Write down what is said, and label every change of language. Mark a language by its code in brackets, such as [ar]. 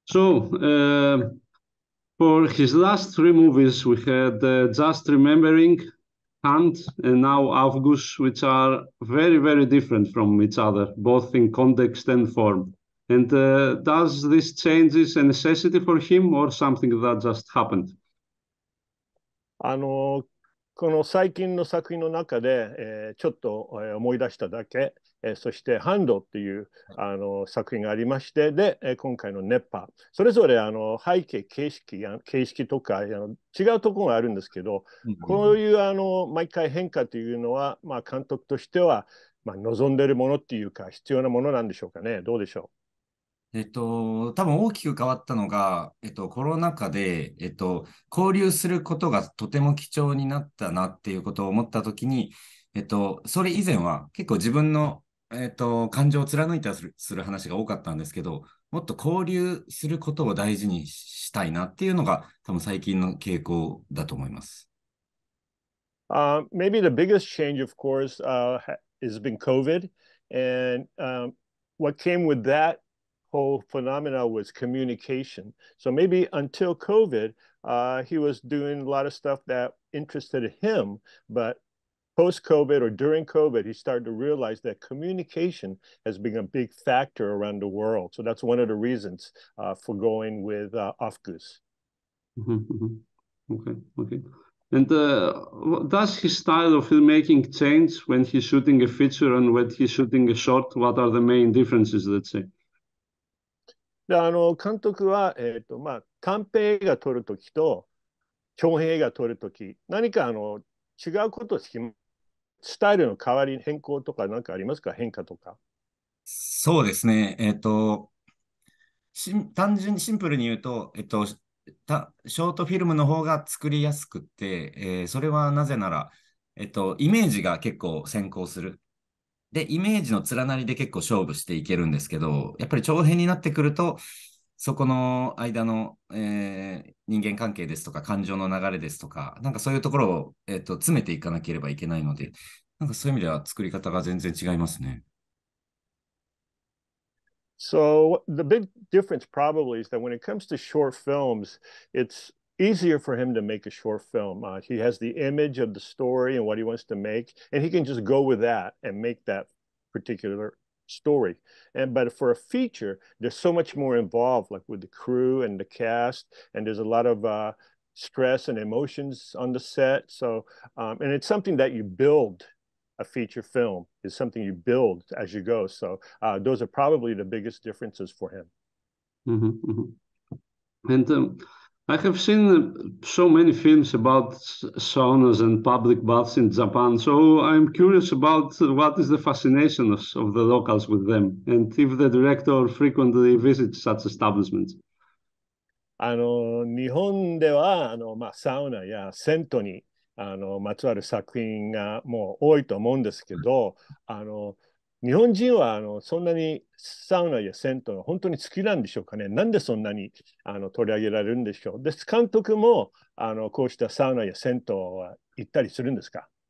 [en] So, for his last three movies, we had Just Remembering, Hunt, and now Aufguss, which are very different from each other, both in context and form. And does this change a necessity for him or something that just happened? [ja] この最近の作品の中で、ちょっと、思い出しただけ、そしてハンドっていう、作品がありまして、で、今回の熱波、それぞれ背景、形式とか違うところがあるんですけど、こういう毎回変化というのは、まあ、監督としては、まあ、望んでるものっていうか、必要なものなんでしょうかね、どうでしょう。多分大きく変わったのが、コロナ禍で、交流することがとても貴重になったなっていうことを思ったときに、それ以前は結構自分の、感情を貫いたする話が多かったんですけど、もっと交流することを大事にしたいなっていうのが、多分最近の傾向だと思います。 [en] Maybe the biggest change, of course, has been COVID. And what came with that whole phenomena was communication. So maybe until COVID, he was doing a lot of stuff that interested him. But post-COVID or during COVID, he started to realize that communication has been a big factor around the world. So that's one of the reasons for going with Aufguss. Okay. And does his style of filmmaking change when he's shooting a feature and when he's shooting a short? What are the main differences, let's say? [ja] で、監督は、まあ、短編映画撮るときと長編映画撮るとき、何か違うことをしスタイルの代わりに変更とか何かありますか？変化とか。そうですね。単純にシンプルに言うと、ショートフィルムの方が作りやすくって、それはなぜなら、イメージが結構先行する。で、イメージの連なりで結構勝負していけるんですけど、やっぱり長編になってくると、そこの間の、人間関係ですとか、感情の流れですとか、なんかそういうところを、詰めていかなければいけないので、なんかそういう意味では作り方が全然違いますね。 [en] So the big difference probably is that when it comes to short films, it's easier for him to make a short film. He has the image of the story and what he wants to make, and he can just go with that and make that particular story. And but for a feature, there's so much more involved, like with the crew and the cast, and there's a lot of stress and emotions on the set. So and it's something that you build. A feature film is something you build as you go. So, those are probably the biggest differences for him. And I have seen so many films about saunas and public baths in Japan. So I'm curious about what is the fascination of the locals with them, and if the director frequently visits such establishments. [ja] 日本では、まあ、サウナや銭湯に。まつわる作品がもう多いと思うんですけど、日本人はそんなにサウナや銭湯が本当に好きなんでしょうかね。なんでそんなに取り上げられるんでしょう。で、監督もこうしたサウナや銭湯は行ったりするんですか？